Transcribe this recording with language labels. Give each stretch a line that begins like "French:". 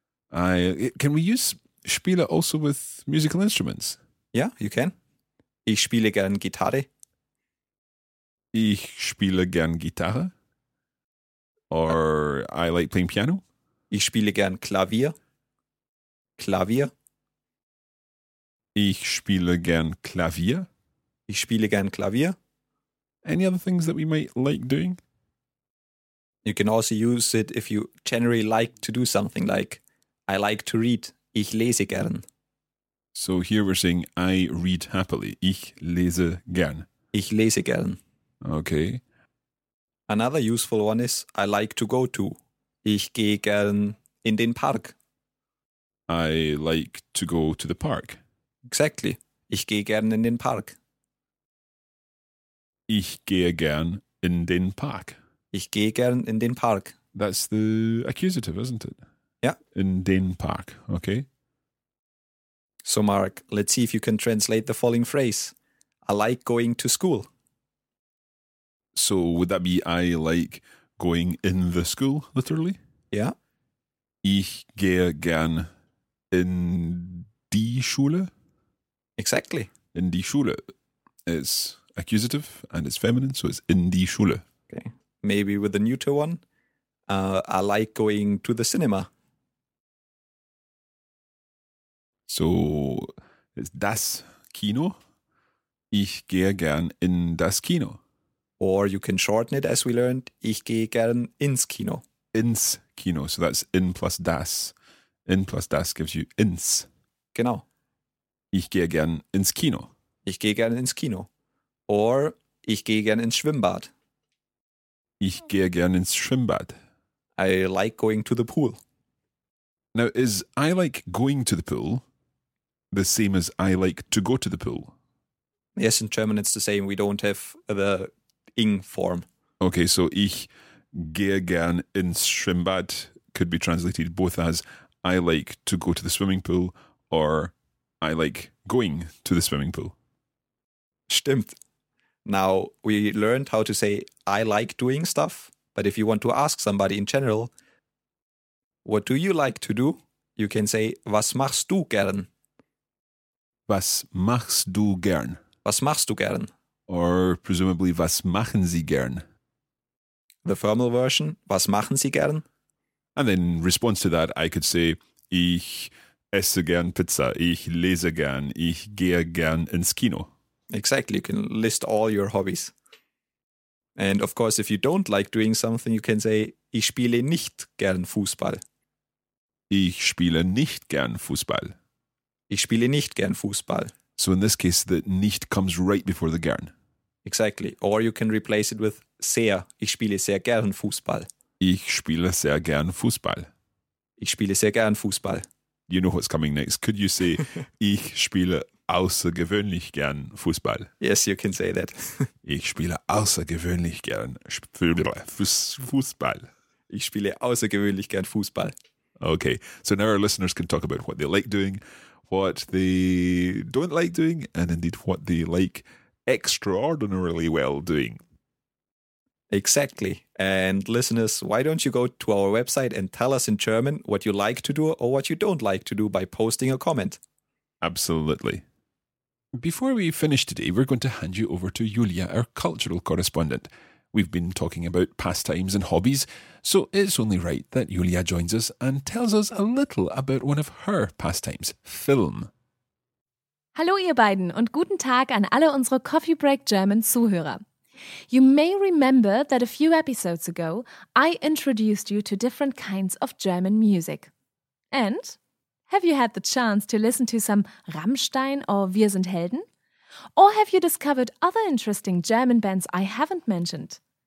English: Can we use Spiele also with musical instruments? Yeah, you can.
German: Ich spiele gern Gitarre. Ich spiele gern Gitarre.
English: Or I like playing piano.
German: Ich spiele gern Klavier. Klavier. Ich spiele gern Klavier. Ich spiele gern Klavier.
English: Any other things that we might like doing? You can also use it if you generally like to do something like I like to read.
German: Ich lese gern.
English: So here we're saying I read happily.
German: Ich lese gern. Ich lese gern.
English: Okay. Another useful one is I like to go to.
German: Ich gehe gern in den Park.
English: I like to go to the park. Exactly.
German: Ich gehe gern in den Park. Ich gehe gern in den Park. Ich gehe gern in den Park.
English: That's the accusative, isn't it? Yeah.
German: In den Park.
English: Okay. So, Mark, let's see if you can translate the following phrase. I like going to school. So, would that be I like going in the school, literally? Yeah.
German: Ich gehe gern in die Schule.
English: Exactly.
German: In die Schule.
English: It's accusative and it's feminine, so it's
German: in die Schule.
English: Okay. Maybe with the neuter one. I like going to the cinema. So, it's das Kino.
German: Ich gehe gern in das Kino.
English: Or you can shorten it as we learned.
German: Ich gehe gern ins Kino. Ins Kino.
English: So that's in plus das. In plus das gives you ins.
German: Genau. Ich gehe gern ins Kino. Ich gehe gern ins Kino. Or ich gehe gern ins Schwimmbad. Ich gehe gern ins Schwimmbad.
English: I like going to the pool. Now, is I like going to the pool the same as I like to go to the pool? Yes, in German it's the same. We don't have the ing form. Okay, so
German: ich gehe gern ins Schwimmbad
English: could be translated both as I like to go to the swimming pool or I like going to the swimming pool.
German: Stimmt.
English: Now, we learned how to say I like doing stuff, but if you want to ask somebody in general, what do you like to do? You can say,
German: was machst du gern? Was machst du gern? Was machst du gern?
English: Or presumably,
German: was machen Sie gern?
English: The formal version,
German: was machen Sie gern?
English: And then in response to that, I could say,
German: ich esse gern Pizza, ich lese gern, ich gehe gern ins Kino.
English: Exactly, you can list all your hobbies. And of course, if you don't like doing something, you can say,
German: ich spiele nicht gern Fußball. Ich spiele nicht gern Fußball. Ich spiele nicht gern Fußball.
English: So in this case, the nicht comes right before the gern. Exactly. Or you can replace it with sehr.
German: Ich spiele sehr gern Fußball. Ich spiele sehr gern Fußball. Ich spiele sehr gern Fußball.
English: You know what's coming next. Could you say,
German: ich spiele außergewöhnlich gern Fußball?
English: Yes, you can say that.
German: Ich spiele außergewöhnlich gern Fußball. Ich spiele außergewöhnlich gern Fußball.
English: Okay, so now our listeners can talk about what they like doing, what they don't like doing, and indeed what they like extraordinarily well doing. Exactly. And listeners, why don't you go to our website and tell us in German what you like to do or what you don't like to do by posting a comment? Absolutely. Before we finish today, we're going to hand you over to Julia, our cultural correspondent. We've been talking about pastimes and hobbies, so it's only right that Julia joins us and tells us a little about one of her pastimes, film.
German: Hallo ihr beiden und guten Tag an alle unsere Coffee Break German Zuhörer.
English: You may remember that a few episodes ago, I introduced you to different kinds of German music. And have you had the chance to listen to some Rammstein or Wir sind Helden? Or have you discovered other interesting German bands I haven't mentioned?